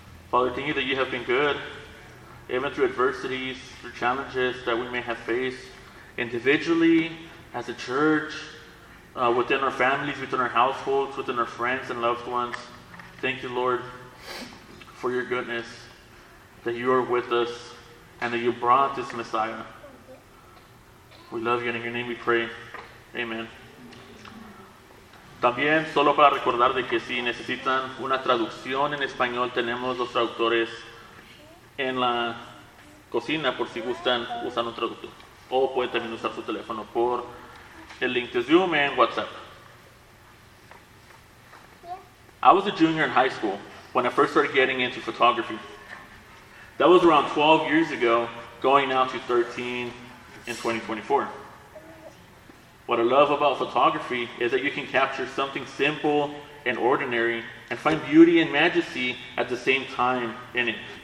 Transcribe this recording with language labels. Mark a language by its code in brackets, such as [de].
[en] Father, thank you that you have been good, even through adversities, through challenges that we may have faced individually, as a church, within our families, within our households, within our friends and loved ones. Thank you, Lord, for your goodness, that you are with us, and that you brought this Messiah. We love you, and in your name we pray. Amen. [es] También, solo para recordar de que si necesitan una traducción en español, tenemos los traductores en la cocina, por si gustan usar un traductor. O pueden también usar su teléfono por el link de Zoom en WhatsApp. [en] I was a junior in high school when I first started getting into photography. That was around 12 years ago, going now to 13 in 2024. What I love about photography is that you can capture something simple and ordinary and find beauty and majesty at the same time in it.